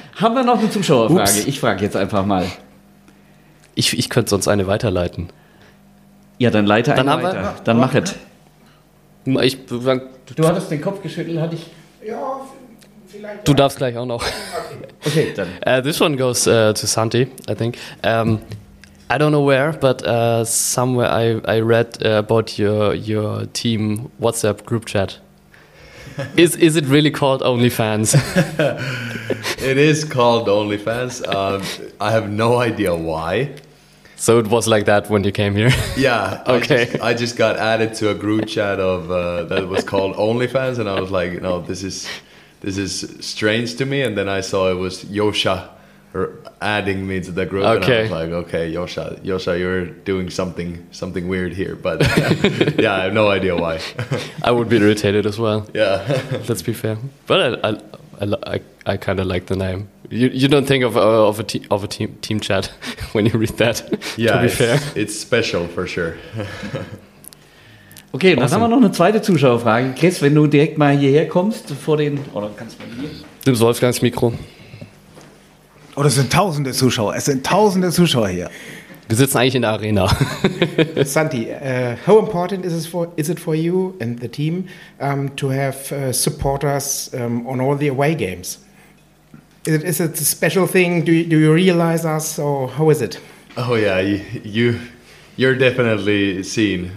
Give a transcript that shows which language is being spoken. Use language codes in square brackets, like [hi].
[de] Haben wir noch eine Zuschauerfrage? Ups. Ich frage jetzt einfach mal. Ich könnte sonst eine weiterleiten. Ja, dann leite eine weiter. Dann mach es. Ich, du hattest den Kopf geschüttelt, hatte ich. Ja, vielleicht. Du ja. Darfst gleich auch noch. Okay, dann. [en] This one goes to Santi, I think. I don't know where, but somewhere I read about your team WhatsApp group chat. Is it really called OnlyFans? It is called OnlyFans. I have no idea why. So it was like that when you came here? Yeah. Okay. I just got added to a group chat of that was called OnlyFans, and I was like, no, this is strange to me. And then I saw it was Yosha adding me to the group. Okay. And I was like, okay, Yosha, you're doing something weird here. But yeah, I have no idea why. I would be irritated as well. Yeah. Let's be fair. But I kind of like the name. You don't think of a team chat when you read that. Yeah, to be fair. It's special for sure. Okay, awesome. [de] Dann haben wir noch eine zweite Zuschauerfrage. Chris, wenn du direkt mal hierher kommst, vor den... Oder kannst du mal hier? Nimm Wolfgangs Mikro. Oh, das sind tausende Zuschauer. Es sind tausende Zuschauer hier. Wir sitzen eigentlich in der Arena. [en] Santi, how important is it for you and the team to have supporters on all the away games? Is it a special thing? Do you realize us, or how is it? Oh yeah, you're definitely seen.